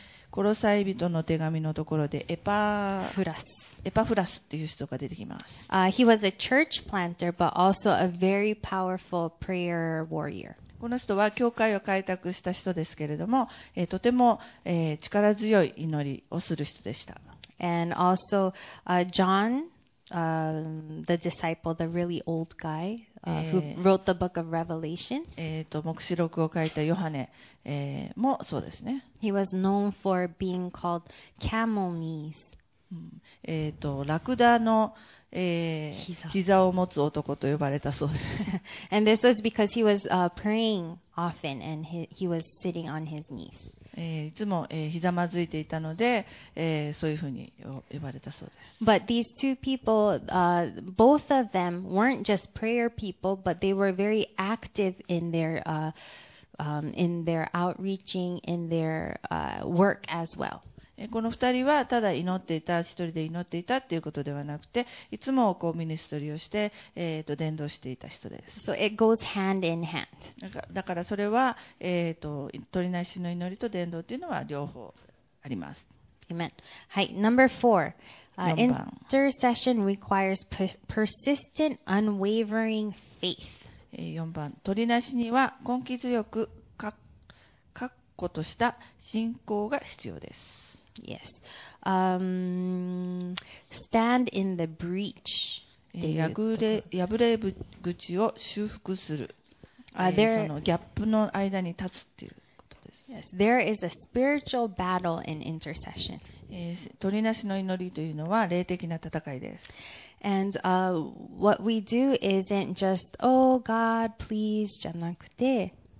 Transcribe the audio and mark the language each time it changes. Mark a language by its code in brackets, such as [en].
[ja] コロサイ人の手紙のところでエパフラスっていう人が出てきます。 [en] He was a church planter, but also a very powerful prayer warrior. [ja] この人は教会を開拓した人ですけれども、とても、力強い祈りをする人でした。 [en] And also, John, the disciple, the really old guy, who wrote the book of Revelations. [ja] 黙示録を書いたヨハネ、もそうですね。 [en] He was known for being called camel knees. [ja] ラクダの膝を持つ男と呼ばれたそうです。 [en] And this was because he was, praying often and he was sitting on his knees. [ja] いつも、ひざまずいていたので、そういうふうに呼ばれたそうです。 [en] But these two people, both of them weren't just prayer people, but they were very active in their, in their outreaching, in their, work as well. [ja] この二人はただ祈っていた、一人で祈っていたということではなくて、いつもこうミニストリーをして、伝道していた人です。 [en] So it goes hand in hand. [ja] だからそれは、取りなしの祈りと伝道というのは両方あります。 [en] Amen. はい、number four. Intercession requires persistent, unwavering faith. [ja] 4番、取りなしには根気強く、確固とした信仰が必要です。 [en] Yes. Stand in the breach. [ja] 破れ口を修復する。 There, そのギャップの間に立つっていうことです。 [en] Yes. There is a spiritual battle in intercession. [ja] 取りなしの祈りというのは霊的な戦いです。 [en] And, what we do isn't just, oh God, please, [ja] じゃなくて、